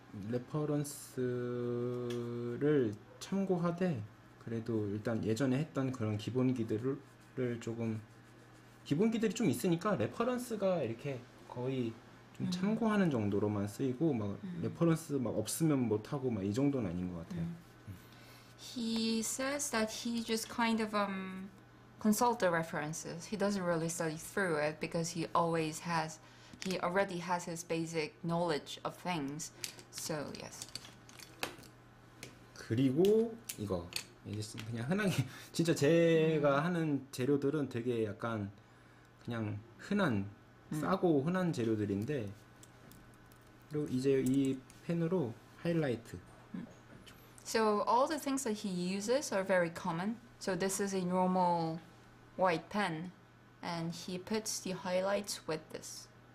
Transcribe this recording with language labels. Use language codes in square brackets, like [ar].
[ko] 레퍼런스를 참고하되 그래도 일단 예전에 했던 그런 기본기들을 조금 기본기들이 좀 있으니까 레퍼런스가 이렇게 거의 좀 참고하는 정도로만 쓰이고 막 레퍼런스 막 없으면 못 하고 막이 정도는 아닌 것 같아요. [en] He says that he just kind of consult the references. He doesn't really study through it because he already has his basic knowledge of things. So, yes. [ko] 그리고 이거 이제 그냥 흔하게 진짜 제가 하는 재료들은 되게 약간 그냥 흔한 싸고 흔한 재료들인데 그리고 이제 이 펜으로 하이라이트 [en] So all the things that he uses are very common. So this is a normal white pen, and he puts the highlights with this.